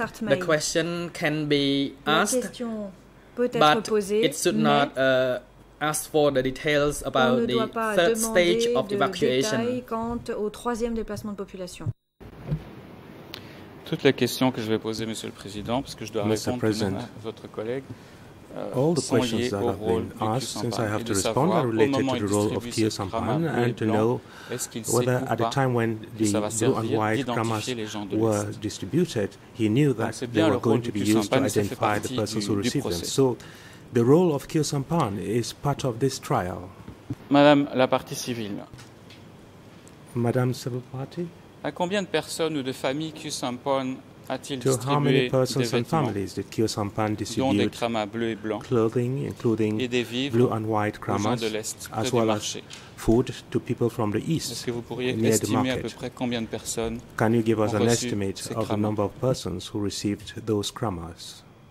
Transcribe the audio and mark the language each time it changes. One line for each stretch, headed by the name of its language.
English: The question can be asked, but it should not ask for the details about the third stage of evacuation.
French: Quant au troisième déplacement de population. Toute la question que je vais poser, Monsieur le Président, parce que je dois répondre à votre collègue.
English: All the questions that have been asked since I have to respond are related to the role of Kyosampan and to know whether at the time when the blue and white grammars were distributed, he knew that they were going to be used to identify the persons who received them. So the role of Kyosampan is part of this trial.
French: Madame la partie civile.
English: Madame civil party.
French: À combien de personnes ou de familles Kyosampan
English: To how many persons and families did Kyo Sampan distribute clothing, including blue and white kramas, as well as food to people from the east near the market? Can you give us an estimate of the number of persons who received those kramas?